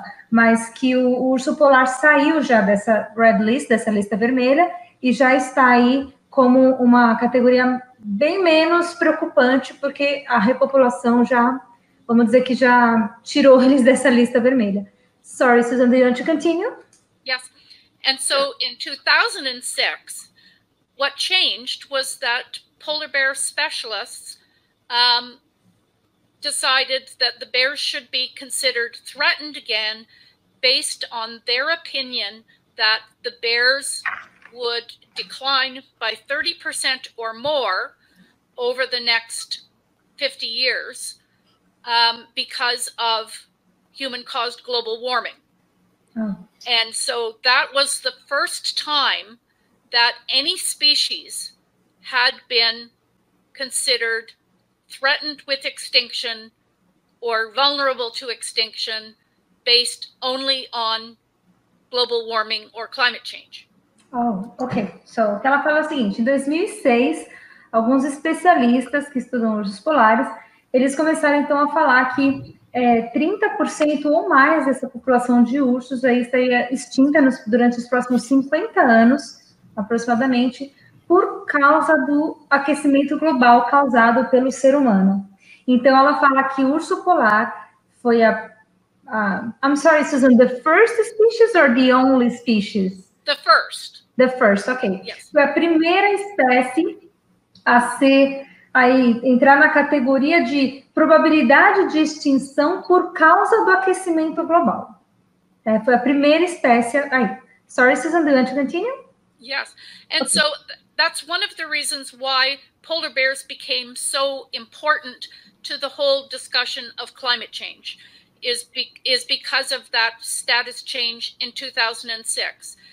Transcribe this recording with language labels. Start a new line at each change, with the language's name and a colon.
Portuguese: Mas que o urso polar saiu já dessa
English: red list,
Portuguese: dessa lista vermelha, e já está aí como uma categoria bem menos preocupante, porque a repopulação já, vamos dizer que já tirou eles dessa lista vermelha.
English: Sorry, Susan, do you want to continue? Yes. And so in 2006, what changed was that polar bear specialists decided that the bears should be considered threatened again, based on their opinion that the bears would decline by 30% or more over the next 50 years because of human-caused global warming. Oh. And so that was the first time that any species had been considered threatened with extinction or vulnerable to extinction based only on global warming or climate change. Oh, okay.
Portuguese: So, ela fala o seguinte, em 2006, alguns especialistas que estudam ursos polares, eles começaram então a falar que 30% ou mais dessa população de ursos aí estaria extinta durante os próximos 50 anos, aproximadamente, por causa do aquecimento global causado pelo ser humano. Então, ela fala que o urso polar foi
English: I'm sorry, Susan, the first species or the only species? The first. The first, ok. Yes.
Portuguese: Foi a primeira espécie a ser, aí, entrar na categoria de probabilidade de extinção por causa do aquecimento global. É, foi a primeira espécie aí.
English: Sorry, Susan, do you want to continue?
Portuguese: Yes. And okay. So that's one of the reasons why polar bears became so important to the whole discussion of climate change. Is because of that status change in 2006.